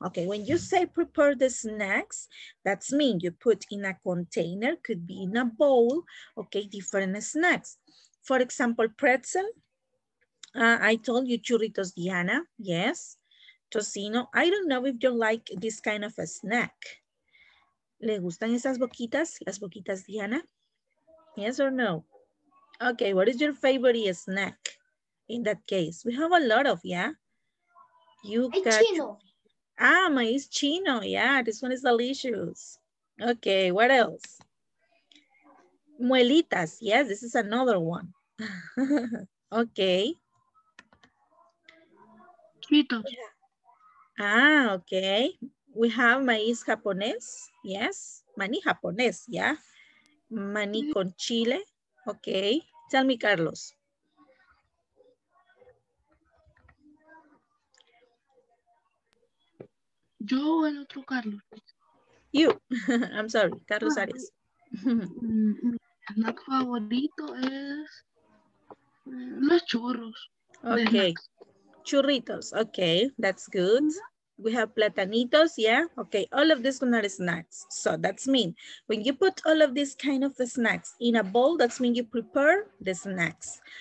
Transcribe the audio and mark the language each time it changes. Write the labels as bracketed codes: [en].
[en] Okay, when you say prepare the snacks, that's mean you put in a container, could be in a bowl, okay, different snacks. For example, pretzel, I told you churritos Diana, yes. Tocino, I don't know if you like this kind of a snack. [es] ¿Le gustan esas boquitas, las boquitas Diana? [en] Yes or no? Okay, what is your favorite snack in that case? We have a lot of, yeah? You got chino. Ah, my is chino. Yeah, this one is delicious. Okay, what else? Muelitas. Yes, this is another one. Okay. Chitos. Ah, okay. We have maíz japonés. Yes. Maní japonés, yeah. Maní con chile. Okay. Tell me, Carlos. [es] Yo o el otro Carlos. [en] You. I'm sorry, Carlos Arias. [es] El snack favorito es los churros. [en] Okay. Churritos. Okay, that's good. We have platanitos, yeah? Okay, all of these are snacks. So that's mean when you put all of these kind of snacks in a bowl, that's mean you prepare the snacks.